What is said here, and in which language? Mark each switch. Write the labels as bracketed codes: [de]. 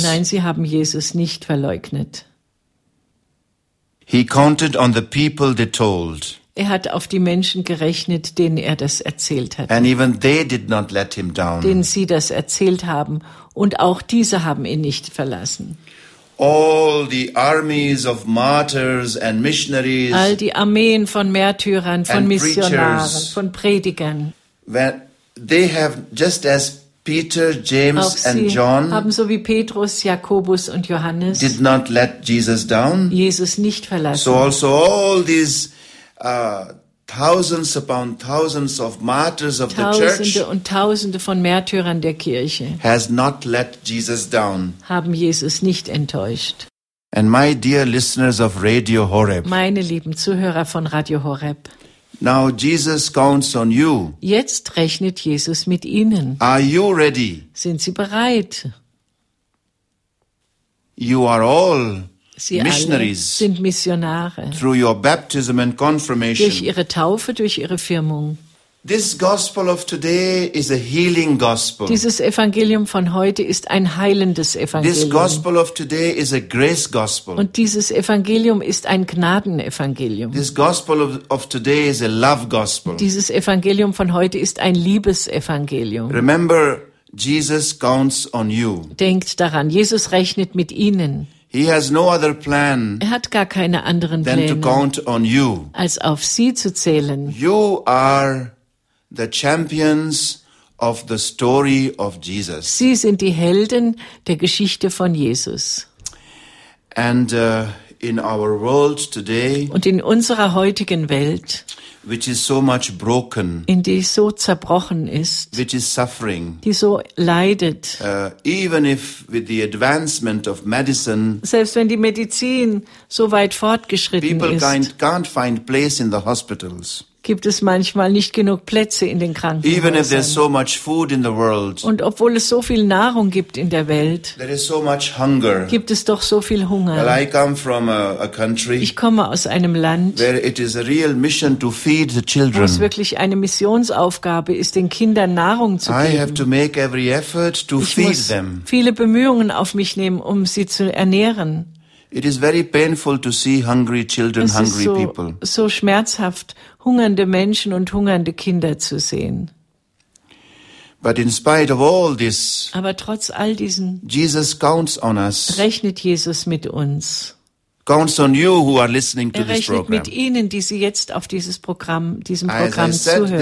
[de] Nein, sie haben Jesus nicht verleugnet. [en] He counted on the people they told. [de] Er hat auf die Menschen gerechnet, denen er das erzählt hat. [en] And even they did not let him down. [de] Denen sie das erzählt haben. Und auch diese haben ihn nicht verlassen. [en] All the armies of martyrs and missionaries. [de] All die Armeen von Märtyrern, von Missionaren, von Predigern. [en] They have just as Peter, James [de] auch sie [en] and John [de] haben so wie Petrus, Jakobus und Johannes [en] did not let Jesus down. [de] Jesus nicht verlassen. [en] So also all these thousands upon thousands of martyrs of [de] Tausende [en] the church [de] und Tausende von Märtyrern der Kirche [en] has not let Jesus down. [de] Haben Jesus nicht enttäuscht. [en] And my dear listeners of Radio Horeb, [de] meine lieben Zuhörer von Radio Horeb, [en] now Jesus counts on you. [de] Jetzt rechnet Jesus mit Ihnen. [en] Are you ready? [de] Sind Sie bereit? [en] You are all [de] Sie [en] missionaries [de] alle sind Missionare. [en] Through your baptism and confirmation. [de] Durch Ihre Taufe, durch Ihre Firmung. [en] This gospel of today is a healing gospel. [de] Dieses Evangelium von heute ist ein heilendes Evangelium. [en] This gospel of today is a grace gospel. [de] Und dieses Evangelium ist ein Gnadenevangelium. [en] This gospel of today is a love gospel. [de] Dieses Evangelium von heute ist ein Liebesevangelium. [en] Remember, Jesus counts on you. [de] Denkt daran, Jesus rechnet mit Ihnen. [en] He has no other plan. [de] Er hat gar keine anderen Pläne. [en] Than to count on you. [de] Als auf Sie zu zählen. [en] You are the champions of the story of Jesus. [de] Sie sind die Helden der Geschichte von Jesus. [en] And in our world today. [de] Und in unserer heutigen Welt. [en] Which is so much broken. [de] In die so zerbrochen ist. [en] Which is suffering. [de] Die so leidet. [en] Even if with the advancement of medicine. [de] Selbst wenn die Medizin so weit fortgeschritten ist. [en] People can't find place in the hospitals. [de] Gibt es manchmal nicht genug Plätze in den Krankenhäusern. [en] Even if there's so much food in the world. [de] Und obwohl es so viel Nahrung gibt in der Welt. [en] There is so much hunger. [de] Gibt es doch so viel Hunger. [en] Well, I come from a country. [de] Ich komme aus einem Land. [en] Where it is a real mission to feed the children. [de] Wo es wirklich eine Missionsaufgabe ist, den Kindern Nahrung zu geben. [en] I have to make every effort to [de] ich [en] feed [de] muss [en] them. [de] Viele Bemühungen auf mich nehmen, um sie zu ernähren. [en] It is very painful to see hungry children, hungry people. [de] Es ist so schmerzhaft, hungernde Menschen und hungernde Kinder zu sehen. [en] But in spite of all this, [de] aber trotz all diesen, [en] Jesus counts on us. [de] Rechnet Jesus mit uns. [en] Counts on you who are listening to this program. [de] Er rechnet mit Ihnen, die Sie jetzt auf dieses Programm, diesem Programm zuhören.